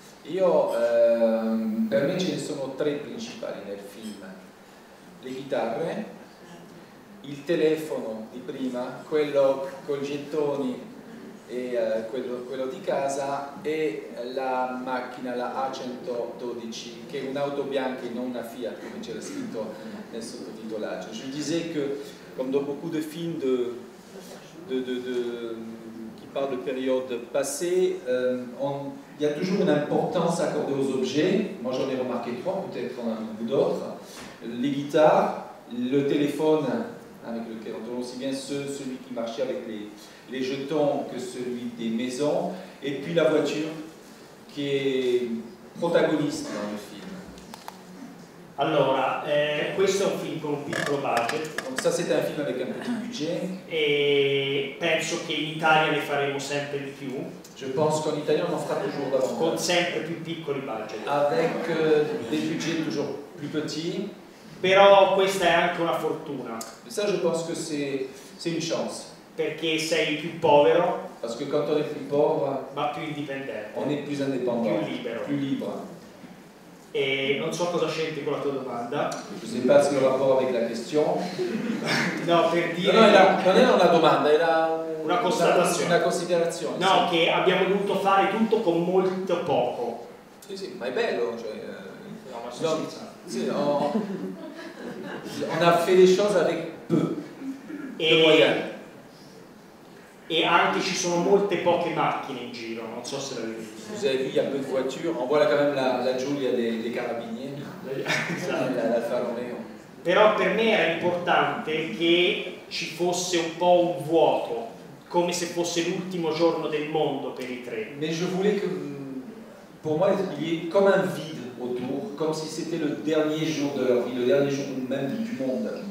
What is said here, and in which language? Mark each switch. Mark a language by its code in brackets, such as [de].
[it] Io, per me ce ne sono tre principali nel film: le chitarre, il telefono di prima, quello con i gettoni e quello di casa, e la macchina, la A112, che è un'auto bianca e non una Fiat, come c'era scritto nel sottotitolaggio. [fr] Je disais que, comme dans beaucoup de films de qui parle de période passée, il y a toujours une importance accordée aux objets. Moi j'en ai remarqué trois, peut-être en avez-vous d'autres: les guitares, le téléphone avec lequel on tourne aussi bien celui qui marchait avec les jetons que celui des maisons, et puis la voiture qui est protagoniste dans le film. [it] Allora, questo è un film con un piccolo budget. [fr] Donc ça c'est un film avec un petit budget. [it] E penso che in Italia ne faremo sempre di più. [fr] Je pense qu'en Italie on en fera toujours davanti. [it] Con sempre più piccoli budget. [fr] Avec des budgets toujours plus petits. [it] Però questa è anche una fortuna. [fr] Mais ça je pense que c'est une chance. [it] Perché sei più povero. [fr] Parce que quand on est plus pauvre. [it] Ma più indipendente. [fr] On est plus indépendant. [it] Più libero. [fr] Plus libre. [it] E non so cosa c'entri con la tua domanda. [fr] Je sais pas ce que va fare avec la question. [it] No, per dire. No, non era una domanda, era una constatazione. Una considerazione. No, sì. Che abbiamo dovuto fare tutto con molto poco. Sì, sì, ma è bello, cioè. No, ma sì, no. [fr] On a fait les choses avec peu de moyens. [it] Et anche ci sono molte poche macchine in giro, non so se l'avete visto. [fr] Vous avez vu, il y a peu de voitures. On voit là quand même la Giulia des carabiniers, la Faroneo. [it] Però per me era importante che ci fosse un po' un vuoto, come se fosse l'ultimo giorno del mondo per i tre. [fr] Mais je voulais que pour moi il y ait comme un vide autour, comme si c'était le dernier jour de leur vie, le dernier jour même du monde.